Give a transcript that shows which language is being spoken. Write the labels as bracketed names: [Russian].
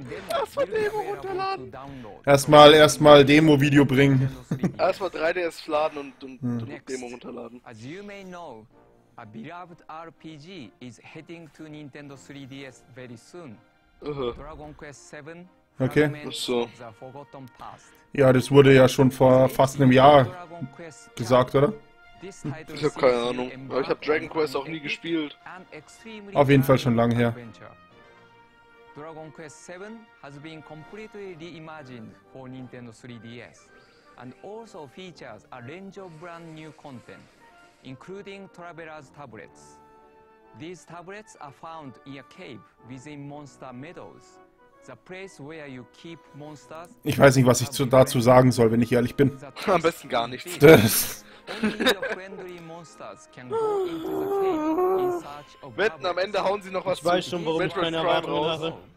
[German] Erstmal Demo runterladen. Erstmal Demo-Video bringen. Erstmal 3DS laden und Demo runterladen. [English] As you may know, a beloved RPG is heading to Nintendo 3DS very soon. Dragon Quest 7. [German] Okay. Ach so. Ja, das wurde ja schon vor fast einem Jahr gesagt, oder? Ich hab keine Ahnung. Aber ich hab Dragon Quest auch nie gespielt. Auf jeden Fall schon lange her. [English] Dragon Quest 7 has been completely reimagined for Nintendo 3DS and also features a range of brand new content, including Traveler's tablets. These tablets are found in a cave within Monster Meadows, the place where you keep monsters. [German] Ich weiß nicht, was ich dazu sagen soll, wenn ich ehrlich bin. Am besten gar nichts. [English] Only your friendly monsters can go into the cave. [German] Wetten, am Ende hauen sie noch was ich zu Metroid Prime raus.